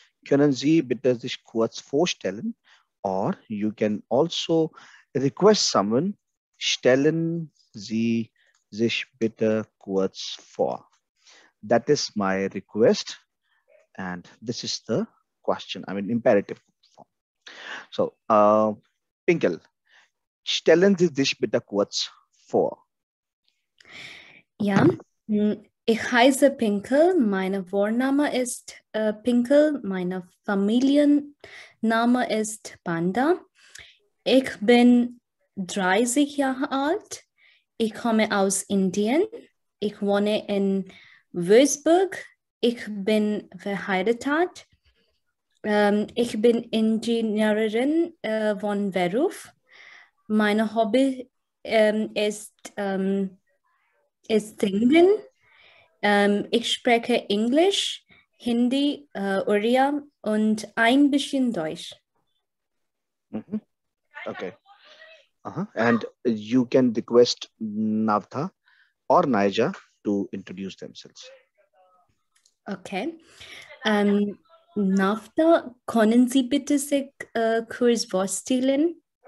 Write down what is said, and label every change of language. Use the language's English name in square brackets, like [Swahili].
[German] Können Sie bitte sich kurz vorstellen? [English] Or you can also request someone, [German] stellen Sie sich bitte kurz vor. [English] That is my request. And this is the question, I mean, imperative form. [German] So, Pinkel, stellen Sie sich bitte kurz vor. Ja, ich heiße Pinkel, mein Vorname ist Pinkel, mein Familienname ist Panda. Ich bin 30 Jahre alt, ich komme aus Indien, ich wohne in Würzburg. Ich bin verheiratet. Ich bin Ingenieurin von Beruf. Mein Hobby ist Singen. Ich spreche Englisch, Hindi, Uriya und ein bisschen Deutsch. Mm-hmm. Okay. [English] And you can request Navtha or Naija to introduce themselves. [German] Okay. Navtha, können Sie bitte sich kurz vorstellen?